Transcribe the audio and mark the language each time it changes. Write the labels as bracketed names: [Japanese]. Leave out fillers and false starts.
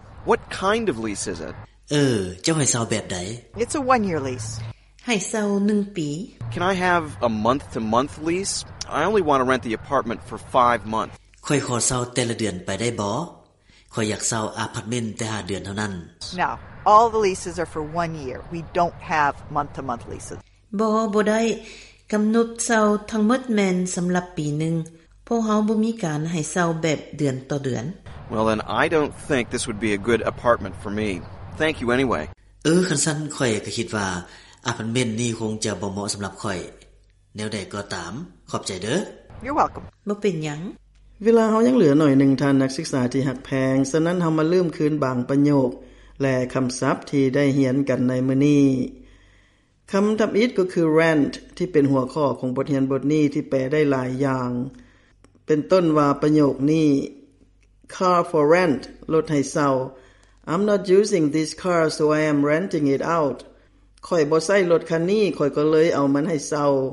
[English] What kind of lease is it [Northeastern Thai] เจ้าให้เช่าแบบใด [English] It's a 1 year lease [Northeastern Thai] ให้เช่า1ปี [English] Can I have a month to month lease I only want to rent the apartment for 5 months [Northeastern Thai] ข้อยขอเช่าแต่ละเดือนไปได้บ่ข้อยอยากเช่าอพาร์ตเมนต์แต่5เดือนเท่านั้น [English] No all the leases are for 1 year we don't have month to month leases [Northeastern Thai] บ่ได้กำหนดเช่าทั้งหมดแม่นสําหรับปีนึงพวกเฮาบ่มีการให้เช่าแบบเดือนต่อเดือน [English] Well then I don't think this would be a good apartment for me. Thank you anyway. [Northeastern Thai] คันซั่นข้อยก็คิดว่าอพาร์ตเมนต์นี้คงจะบ่เหมาะสําหรับข้อยแนวใดก็ตามขอบใจเด้อ [English] You're welcome. [Northeastern Thai] บ่เป็นหยัง เวลาเฮายังเหลือหน่อยนึงท่านนักศึกษาที่ฮักแพงฉะนั้นเฮามาลืมคืนบางประโยคและคําศัพท์ที่ได้เรียนกันในมื้อนี้คำทับอิดก็คือ rent ที่เป็นหัวข้อของบทเรียนบทนี้ที่แปลได้หลายอย่างเป็นต้นว่าประโยคนี้ [English] car for rent [Northeastern Thai] รถให้เช่า [English] I'm not using this car so I am renting it out [Northeastern Thai] ข้อยบ่ใช้รถคันนี้ข้อยก็เลยเอามันให้เช่า